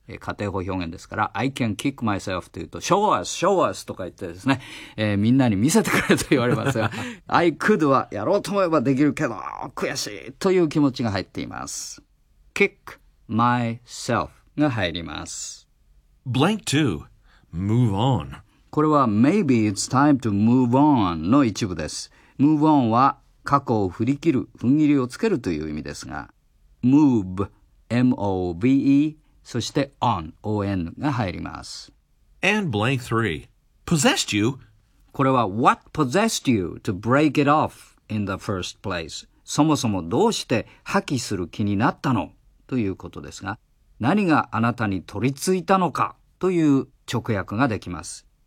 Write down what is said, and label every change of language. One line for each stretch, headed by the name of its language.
Japanese: 仮定法表現ですから、
English: I can kick myself
Japanese: というと、
English: show us, show us
Japanese: とか言ってですね、みんなに見せてくれと言われますが、
English: I could
Japanese: はやろうと思えばできるけど、悔しいという気持ちが入っています。
English: kick myself
Japanese: が入ります。
English: blank two, move on.
Japanese: これは
English: Maybe it's time to move on
Japanese: の一部です。 Move on は過去を振り切る、踏ん切りをつけるという意味ですが、Move, M-O-V-E、そして On, O-N が入ります。
English: And blank three, possessed you?
Japanese: これは
English: What possessed you to break it off in the first place?
Japanese: そもそもどうして破棄する気になったのということですが、何があなたに取り付いたのかという直訳ができます。